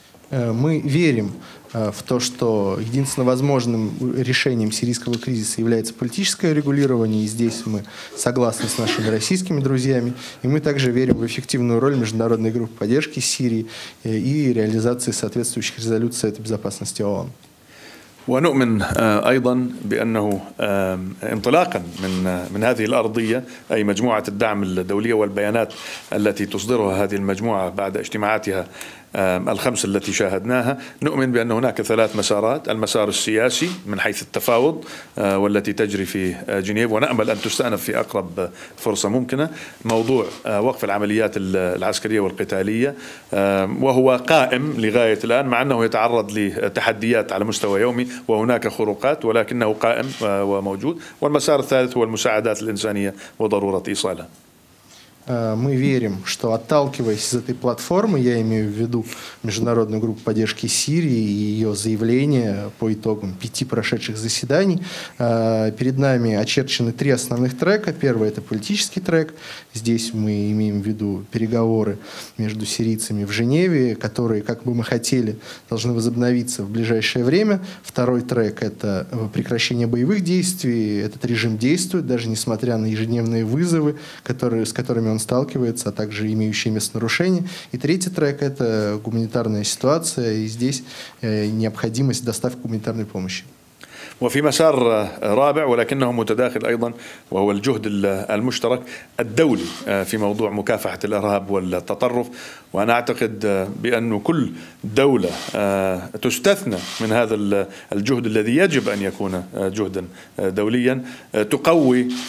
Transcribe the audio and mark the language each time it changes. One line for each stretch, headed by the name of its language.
Russian: Мы верим в то, что единственно возможным решением сирийского кризиса является политическое регулирование, и здесь мы согласны с нашими российскими друзьями, и мы также верим в эффективную роль международной группы поддержки Сирии и реализации соответствующих резолюций Совета Безопасности ООН.
Arabic: ونؤمن أيضا بأنه انطلاقا من هذه الأرضية، أي مجموعة الدعم الدولية والبيانات التي تصدرها هذه المجموعة بعد اجتماعاتها الخمس التي شاهدناها، نؤمن بأن هناك ثلاث مسارات: المسار السياسي من حيث التفاوض والتي تجري في جنيف ونأمل أن تستأنف في أقرب فرصة ممكنة، موضوع وقف العمليات العسكرية والقتالية وهو قائم لغاية الآن مع أنه يتعرض لتحديات على مستوى يومي وهناك خروقات ولكنه قائم وموجود، والمسار الثالث هو المساعدات الإنسانية وضرورة إيصالها.
Russian: Мы верим, что отталкиваясь из этой платформы, я имею в виду Международную группу поддержки Сирии и ее заявление по итогам 5 прошедших заседаний, перед нами очерчены 3 основных трека. Первый – это политический трек. Здесь мы имеем в виду переговоры между сирийцами в Женеве, которые, как бы мы хотели, должны возобновиться в ближайшее время. Второй трек – это прекращение боевых действий. Этот режим действует, даже несмотря на ежедневные вызовы, с которыми он сталкивается, а также имеющие место нарушения. И третий трек – это гуманитарная ситуация, и здесь необходимость доставки гуманитарной помощи.
Arabic: وفي مسار رابع ولكنه متداخل أيضا وهو الجهد المشترك الدولي في موضوع مكافحة الإرهاب والتطرف، وأنا أعتقد بأن كل دولة تستثنى من هذا الجهد الذي يجب أن يكون جهدا دوليا تقوي